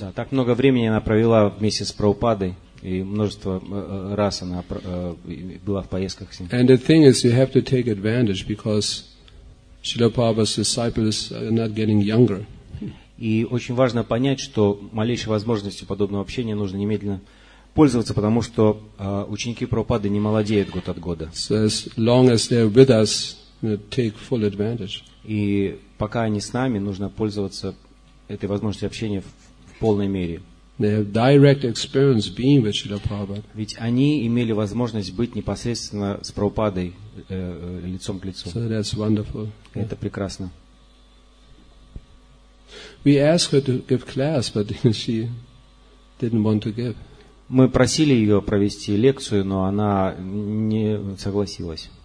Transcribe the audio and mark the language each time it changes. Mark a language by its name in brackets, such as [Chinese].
[Russian] Да, так много времени она провела вместе с Прабхупадой. И множество раз она была в поездках с ним. [English] And the thing is, you have to take advantage because Srila Prabhupada's disciples are not getting younger. [Russian] И очень важно понять, что малейшей возможностью подобного общения нужно немедленно пользоваться, потому что ученики Прабхупады не молодеют год от года. [English] So as long as they're with us, take full advantage. [Russian] И пока они с нами, нужно пользоваться этой возможностью общения в полной мере. [English] They have direct experience being with Srila Prabhupada. [Russian] Ведь они имели возможность быть непосредственно с Прабхупадой лицом к лицу. [English] So that's wonderful. [Russian] Это yeah. Прекрасно. [English] We asked her to give class, but she didn't want to give. [Russian] Мы просили ее провести лекцию, но она не согласилась.